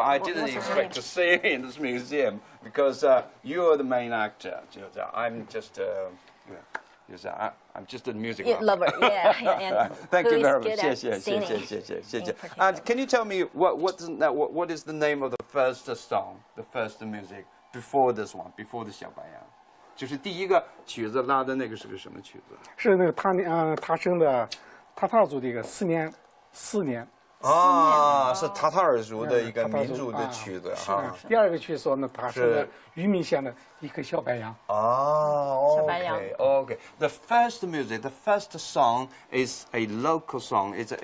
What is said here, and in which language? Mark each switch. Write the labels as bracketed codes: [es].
[en] I didn't expect to see you in this museum because you are the main actor. I'm just a music lover. Thank you very much. And can you tell me what is the name of the first song, the first music before this one, before the 小白杨？ [zh] 就是第一个曲子拉的那个是个什么曲子？是那个他生的塔塔族的一个四年。是塔塔尔族的一个民族的曲子哈。第二个曲说呢，它是榆明县的一个小白杨。 [en] Okay. The first music, the first song is a local song.